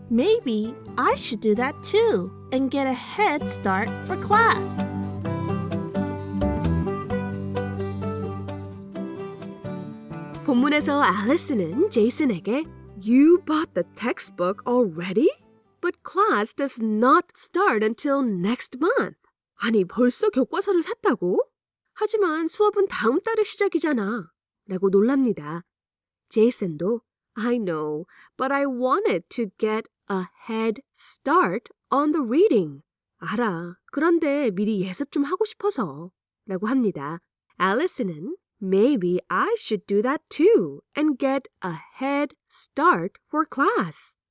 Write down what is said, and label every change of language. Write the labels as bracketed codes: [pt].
[en] Maybe I should do that too and get a head start for class. [ko] 본문에서 Allison은 Jason에게 [en] You bought the textbook already? But class does not start until next month. [ko] 아니, 벌써 교과서를 샀다고? 하지만 수업은 다음 달에 시작이잖아. 라고 놀랍니다. 제이슨도 [en] I know, but I wanted to get a head start on the reading. [ko] 알아, 그런데 미리 예습 좀 하고 싶어서. 라고 합니다. 앨리슨은 [en] Maybe I should do that too and get a head start for class.